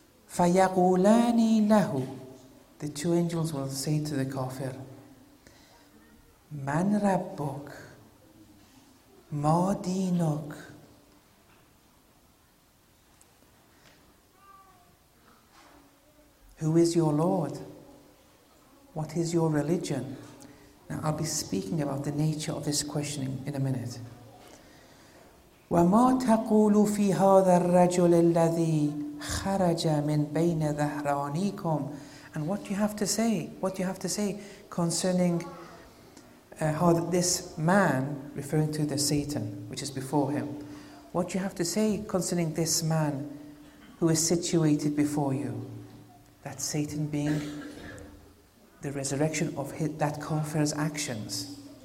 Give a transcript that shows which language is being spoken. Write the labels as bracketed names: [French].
[Arabic] فَيَقُولَانِ لَهُ, [English] the two angels will say to the kafir, [Arabic] من ربك ما دينك. [English] Who is your Lord? What is your religion? Now I'll be speaking about the nature of this questioning in a minute. [Arabic] وما تقول في هذا الرجل الذي خرج من بين ذهرانيكم. [English] And what do you have to say? What do you have to say concerning how this man, referring to the Satan, which is before him, what do you have to say concerning this man who is situated before you? That Satan being the resurrection of that kafir's actions.